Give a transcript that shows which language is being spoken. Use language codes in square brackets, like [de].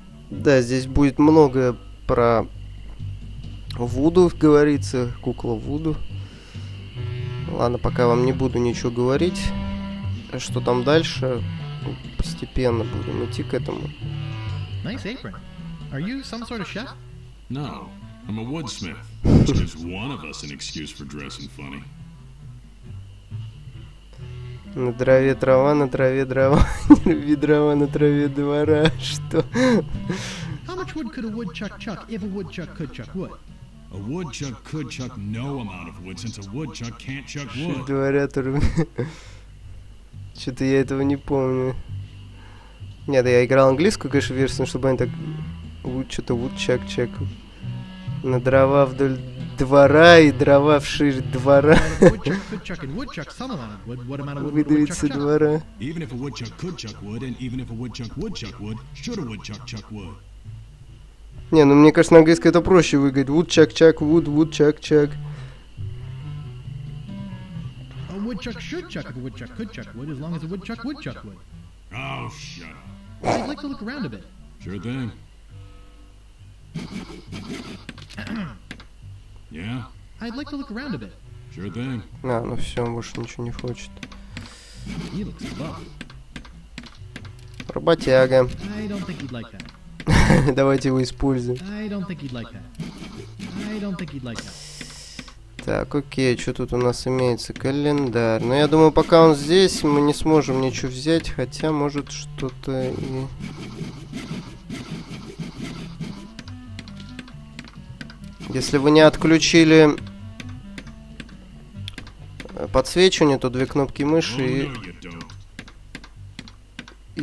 [ru] Да, здесь будет много про вуду, говорится, кукла вуду. Ладно, пока вам не буду ничего говорить, что там дальше, постепенно будем идти к этому. [en] Nice apron. Are you some sort of chef? No, I'm a woodsmith. Which gives one of us an excuse for dressing funny. [ru] На траве трава, на траве дрова, ведрова на траве двора, что? [en] How much wood could a woodchuck chuck if a woodchuck could chuck wood? A woodchuck could chuck no amount of wood, since a woodchuck can't chuck wood. [ru] Говорят, что-то я этого не помню. Нет, я играл английскую, конечно, версию, чтобы они так что-то woodchuck чек на дрова вдоль двора и дрова вширь двора. Выдавиться двора. [en] Even if a woodchuck could chuck wood, and even if a woodchuck would chuck wood, should a woodchuck chuck wood? [ru] Не, ну мне кажется, на английском это проще выговорить. [en] Woodchuck-chuck, wood, woodchuck-chuck. A woodchuck should chuck if a woodchuck could chuck wood, as long as a woodchuck would chuck wood. Oh, shut up. I'd like to look around a bit. Sure thing. Yeah? I'd like to look around a bit. Sure thing. [ru] А, ну все, он больше ничего не хочет. [en] He looks buff. [ru] Работяга. [en] I don't think he'd like that. [ru] Давайте его используем. [en] I don't think he'd like that. I don't think he'd like that. [ru] Так, окей, что тут у нас имеется? Календарь. Но я думаю, пока он здесь, мы не сможем ничего взять, хотя может что-то и... Если вы не отключили подсвечивание, то две кнопки мыши и...